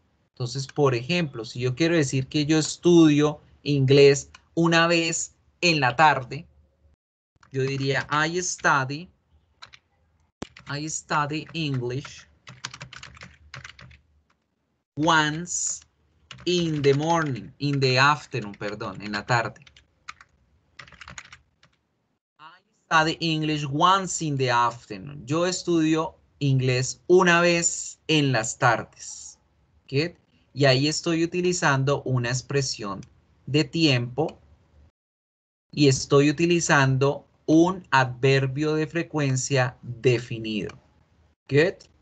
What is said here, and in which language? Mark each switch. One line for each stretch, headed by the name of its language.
Spanish: Entonces, por ejemplo, si yo quiero decir que yo estudio inglés una vez en la tarde, yo diría
English: I study English once in the morning, in the afternoon,
Spanish: perdón, en la tarde.
English: I study English once in the afternoon.
Spanish: Yo estudio inglés una vez en las tardes. ¿Okay? Y ahí estoy utilizando una expresión de tiempo y estoy utilizando un adverbio de frecuencia definido. ¿Good?